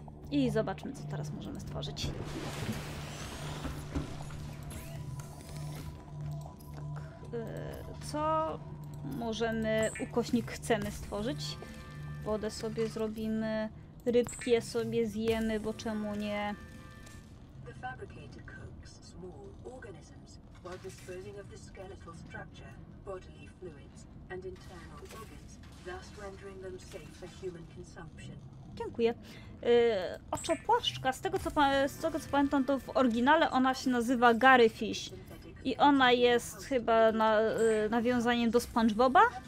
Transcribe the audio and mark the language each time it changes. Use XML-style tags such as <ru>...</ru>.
<pl>I zobaczmy, co teraz możemy stworzyć. Tak, co możemy, ukośnik chcemy stworzyć? Wodę sobie zrobimy, rybki sobie zjemy, bo czemu nie?</pl> <en>The fabricator cooks small organisms while disposing of the skeletal structure, bodily fluids and internal organs, thus rendering them safe for human consumption.</en> <pl>Dziękuję. Oczopłaszczka, z tego co pamiętam, to w oryginale ona się nazywa Garryfish. I ona jest chyba nawiązaniem do SpongeBoba?</pl>